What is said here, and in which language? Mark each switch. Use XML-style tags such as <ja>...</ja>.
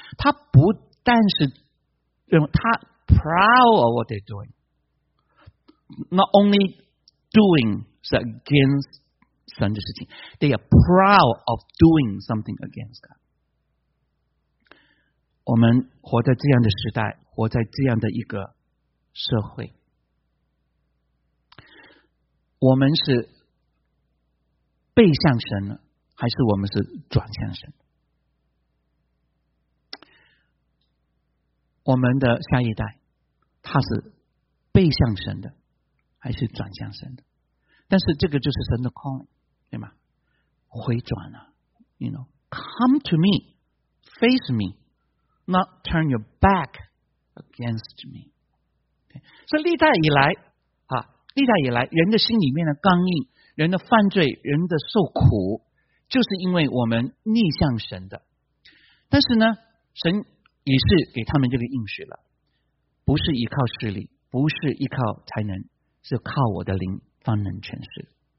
<zh>他不但是认为他</zh> <en>proud of what they're doing, not only doing against</en> <zh>神的事情，</zh> <en>they are proud of doing something against God.</en> <zh>我们活在这样的时代，活在这样的一个社会，我们是背向神了，还是我们是转向神？我们的下一代他是背向神的还是转向神的？但是这个就是神的 call, 对吗？回转了，</zh> <en>you know, come to me, face meNot turn your back against me. Okay.</en> <zh>所以历代以来，历代以来，人的心里面的刚硬，人的犯罪，人的受苦，就是因为我们逆向神的。但是呢，神也是给他们这个应许了，不是依靠势力，不是依靠才能，是靠我的灵方能成事。</zh>